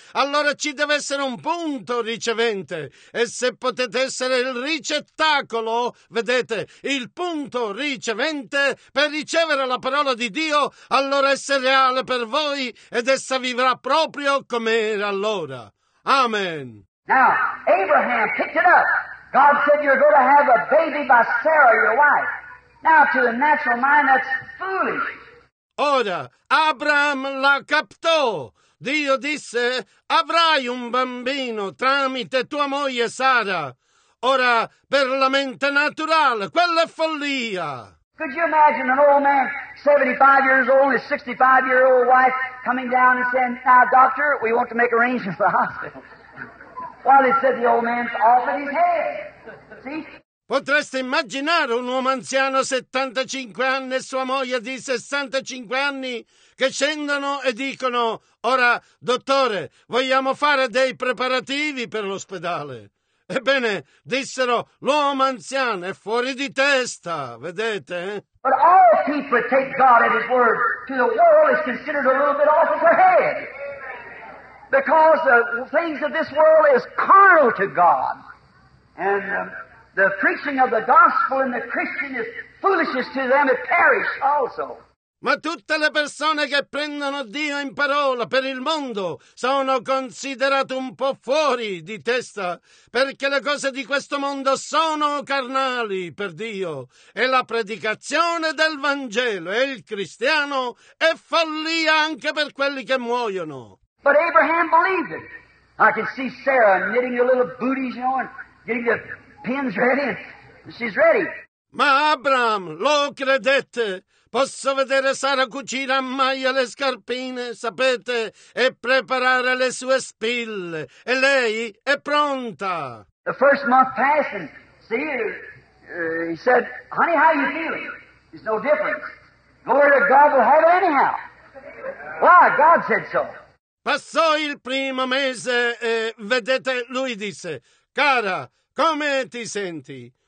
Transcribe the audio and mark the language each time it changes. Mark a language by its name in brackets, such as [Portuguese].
[Italian] Allora ci deve essere un punto ricevente. E se potete essere il ricettacolo, vedete, il punto ricevente, per ricevere la parola di Dio, allora essa è reale per voi ed essa vivrà proprio come era allora. [English] Amen. Now, Abraham picked it up. God said you're going to have a baby by Sarah, your wife. Now, to the natural mind, that's foolish. [Italian] Ora, Abraham la captò. Dio disse, avrai un bambino tramite tua moglie Sara. Ora, per la mente naturale, quella è follia. [English] Could you imagine an old man, 75 years old, his 65-year-old wife, coming down and saying, now, doctor, we want to make arrangements for the hospital. Well, they said the old man's off of his head. See? [Italian] Potreste immaginare un uomo anziano 75 anni e sua moglie di 65 anni che scendono e dicono, ora, dottore, vogliamo fare dei preparativi per l'ospedale. Ebbene, dissero, l'uomo anziano è fuori di testa, vedete? [English] But all people take God at his word to the world is considered a little bit off of their head. Because the things of this world is carnal to God. And the preaching of the gospel in the Christian is foolishness to them, it perish also. [Italian] Ma tutte le persone che prendono Dio in parola per il mondo sono considerate un po' fuori di testa, perché le cose di questo mondo sono carnali per Dio, e la predicazione del Vangelo e il cristiano è follia anche per quelli che muoiono. [English] But Abraham believed it. I can see Sarah knitting her little booties, you know, and getting the pins ready. She's ready. [Italian] Ma Abraham lo credette. Posso vedere Sara cucire a maglia le scarpine, sapete, e preparare le sue spille. E lei è pronta. [English] The first month passed, and see, he said, honey, how are you feeling? There's no difference. Glory to God, we'll have it anyhow. Why? God said so. [Italian] Passò il primo mese e, vedete, lui disse, cara, come ti senti?